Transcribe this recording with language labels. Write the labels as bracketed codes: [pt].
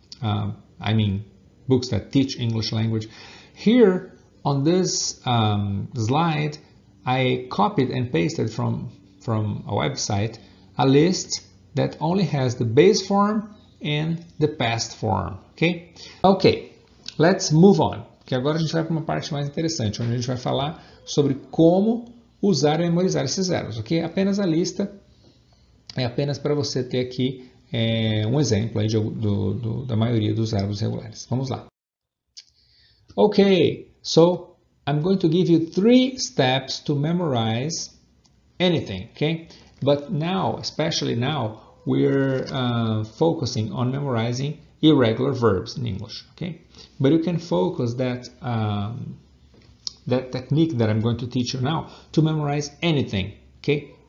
[en] I mean, books that teach English language. Here on this slide, I copied and pasted from a website a list that only has the base form and the past form, okay? Okay, let's move on, [pt] que agora a gente vai para uma parte mais interessante, onde a gente vai falar sobre como usar e memorizar esses verbos, ok? Apenas a lista é apenas para você ter aqui um exemplo aí da maioria dos verbos regulares. Vamos lá. [en] Ok, so I'm going to give you 3 steps to memorize anything, ok? But now, especially now, we're focusing on memorizing irregular verbs in English, ok? But you can focus that that technique that I'm going to teach you now to memorize anything, okay?